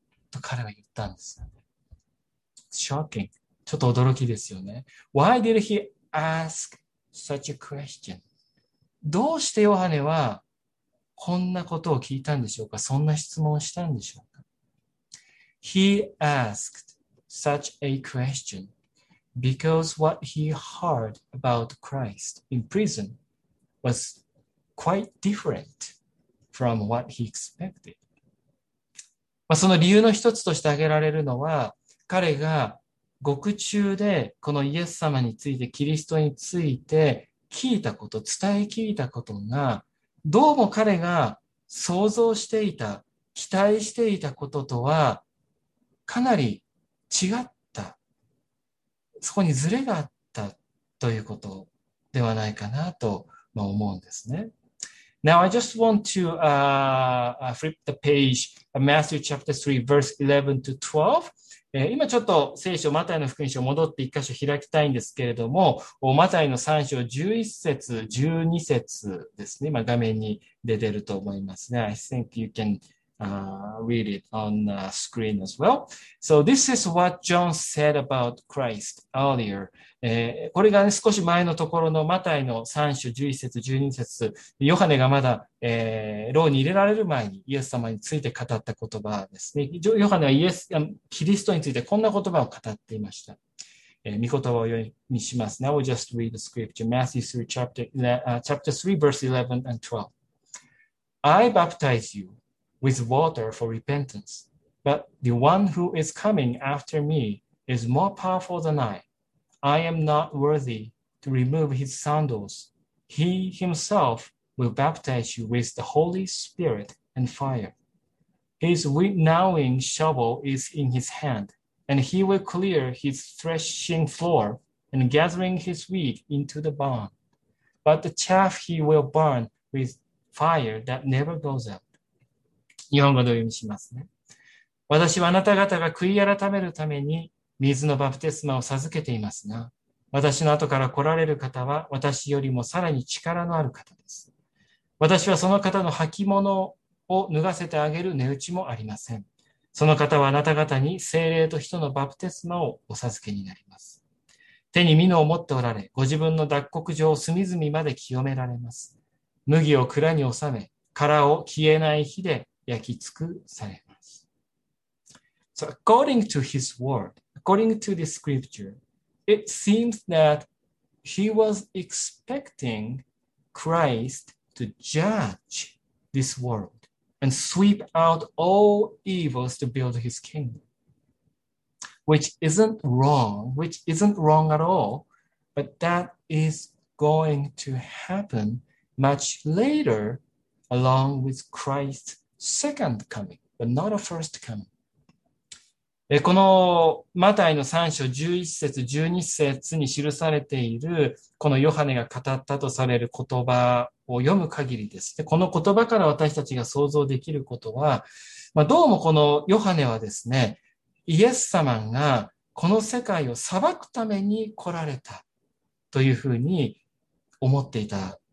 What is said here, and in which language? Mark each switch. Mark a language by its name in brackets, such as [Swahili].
[Japanese] と彼は言ったんです。 [English] Shocking. [Japanese] ちょっと驚きですよね。 [English] Why did he ask such a question? [Japanese] どうしてヨハネはこんなことを聞いたんでしょうか？そんな質問をしたんでしょうか？ [English] He asked such a question because what he heard about Christ in prison was quite different from what he expected. [Japanese] まあその理由の一つとして挙げられるのは、彼が獄中でこのイエス様について、キリストについて聞いたこと、伝え聞いたことが、どうも彼が想像していた、期待していたこととはかなり違った。そこにズレがあったということではないかなと思うんですね。 [English] Now I just want to flip the page, Matthew chapter 3, verse 11 to 12. [Japanese] 今ちょっと聖書、マタイの福音書戻って一箇所開きたいんですけれども、マタイの3章11節、12節ですね。今画面に出てると思いますね。 [English] I think you can read it on the screen as well. So this is what John said about Christ earlier. [Japanese] これが、ね、少し前のところのマタイの3章11節12節、ヨハネがまだ、牢に入れられる前にイエス様について語った言葉ですね。ヨハネはイエス、キリストについてこんな言葉を語っていました。御言葉を読みします。 [English] Now we'll just read the scripture. Matthew 3, chapter 3, verse 11 and 12. I baptize you with water for repentance, but the one who is coming after me is more powerful than I. I am not worthy to remove his sandals. He himself will baptize you with the Holy Spirit and fire. His winnowing shovel is in his hand, and he will clear his threshing floor and gathering his wheat into the barn. But the chaff he will burn with fire that never goes out. [Japanese] 日本語で読みしますね。私はあなた方が悔い改めるために水のバプテスマを授けていますが、私の後から来られる方は私よりもさらに力のある方です。私はその方の履物を脱がせてあげる値打ちもありません。その方はあなた方に聖霊と人のバプテスマをお授けになります。手に蓑を持っておられ、ご自分の脱穀場を隅々まで清められます。麦を蔵に納め、殻を消えない火で焼き尽くされます。 [English] So according to his word,According to the scripture, it seems that he was expecting Christ to judge this world and sweep out all evils to build his kingdom, which isn't wrong at all, but that is going to happen much later along with Christ's second coming, but not a first coming. [Japanese] このマタイの3章11節12節に記されているこのヨハネが語ったとされる言葉を読む限りです。で、この言葉から私たちが想像できることは、まあ、どうもこのヨハネはですね、イエス様がこの世界を裁くために来られたというふうに思っていた